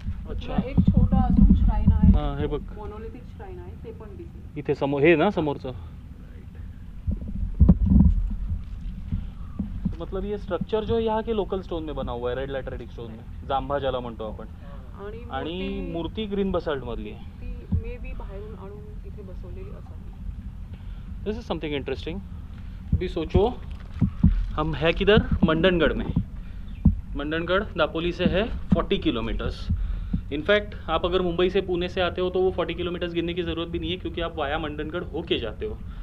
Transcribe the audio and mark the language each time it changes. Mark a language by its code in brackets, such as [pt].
[mr] अच्छा, एक छोटा अजून श्राइन आहे. हा, हे बघ, मोनोलिथिक श्राइन आहे, ते पण दिसते इथे समोर. हे ना समोरच, [hi] मतलब ये स्ट्रक्चर जो यहाँ के लोकल स्टोन में बना हुआ है, रेड लैटराइट स्टोन में, [mr] जांभा जला म्हणतो आपण. आणि मूर्ती ग्रीन बसाल्ट मधली आहे. मे बी बाहेरून आणून इथे बसवलेली असावी. [en] This is something interesting. [hi] अभी सोचो हम है किधर, मंडनगढ़ में. मंडनगढ़ दापोली से है 40 किलोमीटर्स. इनफैक्ट आप अगर मुंबई से पुणे से आते हो तो वो 40 किलोमीटर्स गिनने की जरूरत भी नहीं है, क्योंकि आप वाया मंडनगढ़ होके जाते हो.